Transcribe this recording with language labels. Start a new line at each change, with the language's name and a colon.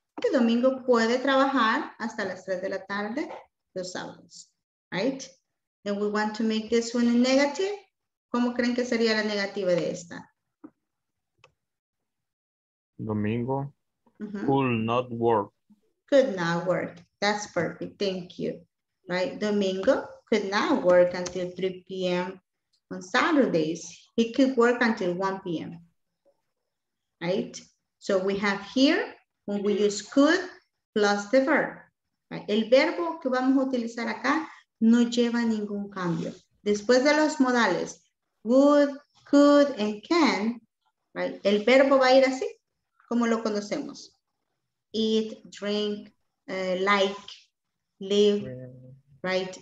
Spanish: Y Domingo puede trabajar hasta las 3 de la tarde los sábados,
English: right? And we want to make this one a negative.
Spanish: ¿Cómo creen que sería la negativa de esta?
English: Domingo mm-hmm. could not work. Could not work. That's perfect. Thank you. Right? Domingo could not work until 3 p.m. on Saturdays. He could work until 1 p.m. Right? So we have here, when we use could plus the verb. Right?
Spanish: El verbo que vamos a utilizar acá no lleva ningún cambio. Después de los modales, would, could, and can,
English: right?
Spanish: El verbo va a ir así, como lo conocemos.
English: Eat, drink, like, live, right?